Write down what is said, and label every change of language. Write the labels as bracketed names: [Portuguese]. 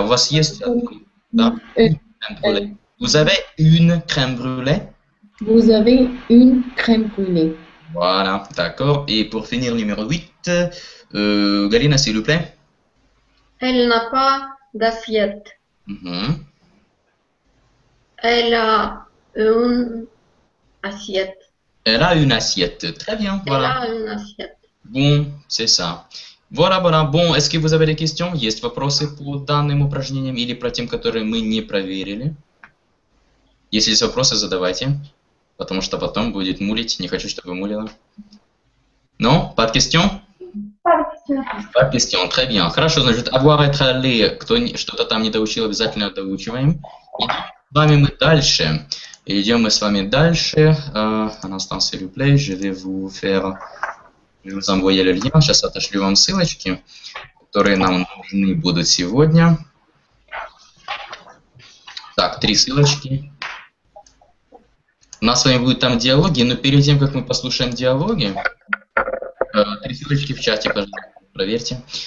[Russian] У вас есть одна [French] crème brûlée. Vous avez une crème brûlée? Vous avez une crème brûlée. Voilà, d'accord. Et pour finir, numéro 8, Galina, s'il vous plaît. Elle n'a pas d'assiette. Mm-hmm. Elle a une assiette. Elle a une assiette. Très bien, voilà. Elle a une assiette. Bon, c'est ça. Voilà, voilà. Bon, est-ce que vous avez des questions? [Russian] Есть вопросы по данным упражнениям или про тем, которые мы не проверили? Если есть вопросы, задавайте. Потому что потом будет мулить. Не хочу, чтобы мулило. [French] Non, pas de question? Pas de question. Très bien. [Russian] Хорошо, значит, avoir, être, aller. Кто что-то там не доучил, обязательно доучиваем. Идем с вами мы дальше. Идем мы с вами дальше. [French] Anastas, s'il vous plaît, je vais vous faire... Je vous envoie le lien. [Russian] Сейчас отошлю вам ссылочки, которые нам нужны будут сегодня. Так, три ссылочки. У нас с вами будут там диалоги, но перед тем, как мы послушаем диалоги, три ссылочки в чате, пожалуйста, проверьте.